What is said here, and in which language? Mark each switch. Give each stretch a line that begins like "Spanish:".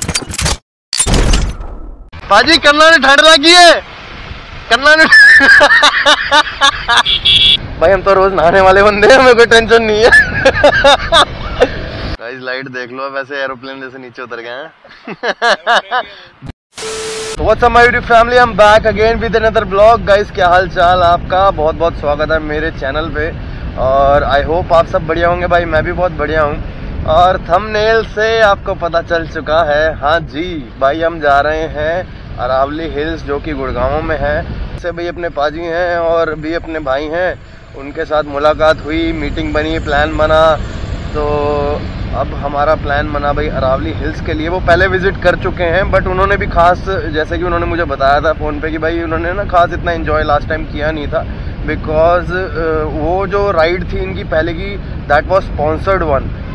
Hindi: भाजी कन्ना ने ठंड लगी है कन्ना ने। भाई हम तो रोज नहाने वाले बंदे हैं, हमें कोई टेंशन नहीं है। गाइस लाइट देख लो, वैसे एरोप्लेन जैसे नीचे उतर गए हैं।
English: What's up my YouTube family, I'm back again with another vlog.
Hindi: Guys, क्या हाल चाल आपका, बहुत बहुत स्वागत है मेरे चैनल पे और
English: I hope
Hindi: आप सब बढ़िया होंगे। भाई मैं भी बहुत बढ़िया हूँ और थंबनेल से आपको पता चल चुका है, हाँ जी भाई हम जा रहे हैं अरावली हिल्स जो कि गुड़गांव में है। से भाई अपने पाजी हैं और भी अपने भाई हैं, उनके साथ मुलाकात हुई, मीटिंग बनी, प्लान बना, तो अब हमारा प्लान बना भाई अरावली हिल्स के लिए। वो पहले विजिट कर चुके हैं बट उन्होंने भी खास, जैसे कि उन्होंने मुझे बताया था फ़ोन पे कि भाई उन्होंने ना खास इतना इन्जॉय लास्ट टाइम किया नहीं था बिकॉज़ वो जो राइड थी इनकी पहले की
English: That was sponsored one.